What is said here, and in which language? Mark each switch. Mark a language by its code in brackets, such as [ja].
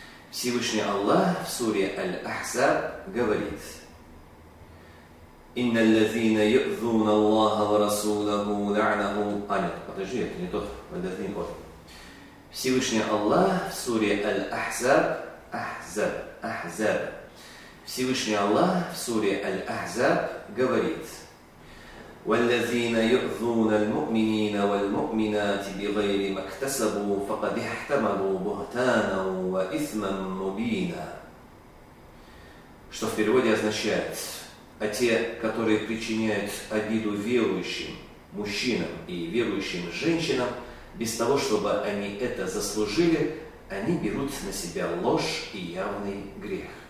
[ru] Всевышний Аллах в суре Аль-Ахзаб говорит: [ar] «Инна аллазина юзуна Аллаха ва расулаху ла'нахум аль-». [ru] Подожди, это не тот, аллазин, вот. Всевышний Аллах в суре Аль-Ахзаб, Ахзаб, Ахзаб. Всевышний Аллах в суре Аль-Ахзаб говорит: [ar] والذين يؤذون المؤمنين والمؤمنات بغير ما اكتسبوا فقد احتملوا بهتانا واثما مبينا. [ru] Что в переводе означает: а те, которые причиняют обиду верующим мужчинам и верующим женщинам, без того, чтобы они это заслужили, они берут на себя ложь и явный грех.